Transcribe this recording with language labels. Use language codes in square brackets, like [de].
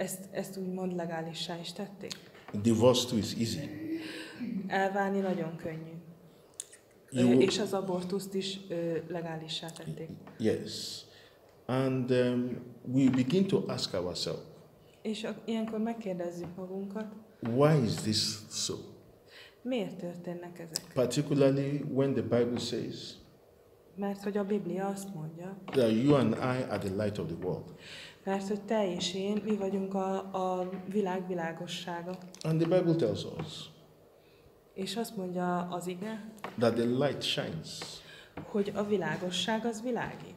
[hu] Ezt úgymond legálissá is tették. [en] Divorce too is easy. [hu] Elválni nagyon könnyű. És az abortuszt is legálissá tették. [en] Yes. And we begin to ask ourselves. [hu] És ilyenkor megkérdezzük magunkat. [en] Why is this so? [hu] Miért történnek ezek? [en] Particularly when the Bible says. [hu] Mert hogy a Biblia azt mondja. [en] That you and I are the light of the world. [hu] Mert hogy te és én, mi vagyunk a világ világossága. [en] And the Bible tells us. [hu] És azt mondja az ige. [en] That the light shines. [hu] Hogy a világosság az világít.